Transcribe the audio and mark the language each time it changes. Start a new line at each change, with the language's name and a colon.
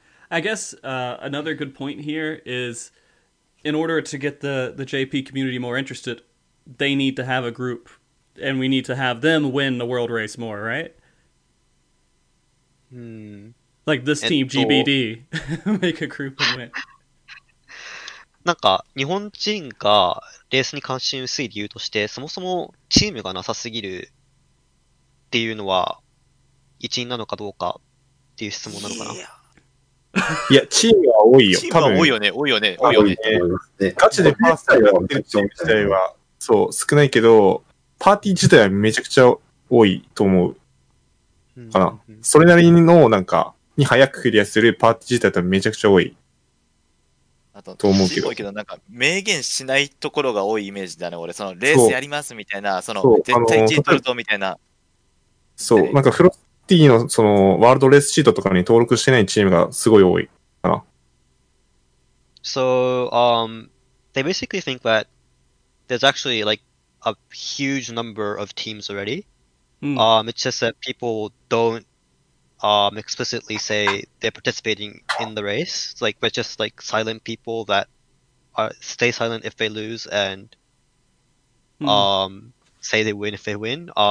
English: I guess、another good point here is, in order to get the JP community more interested, they need to have a group, and we need to have them win the world race more, right? Hmm. Like this team, GBD, make a group and win.
Japanese: なんか日本人がレースに関心薄い理由としてそもそもチームがなさすぎるっていうのは一因なのかどうかっていう質問なのかな。いやチームは多いよ。チームは多いよね。多いよね。多いよね。ガチでパーティーやってるチーム自体はそう少ないけどパーティー自体はめちゃくちゃ多いと思うかな。それなりのなんかに早くクリアするパーティー自体はめちゃくちゃ多い。あと、と思うけど、なんか、明言しないところが多いイメージだね、俺。その、レースやりますみたいな、その、絶対1位取るぞみたいな。そう、なんか、フロッティの、その、ワールドレースシートとかに登録してないチームがすごい多いかな。
English: So, they basically think that there's actually, like, a huge number of teams already.、Mm. It's just that people don't,explicitly say they're participating in the race. It's like we're just like silent people that are stay silent if they lose and、say they win if they win.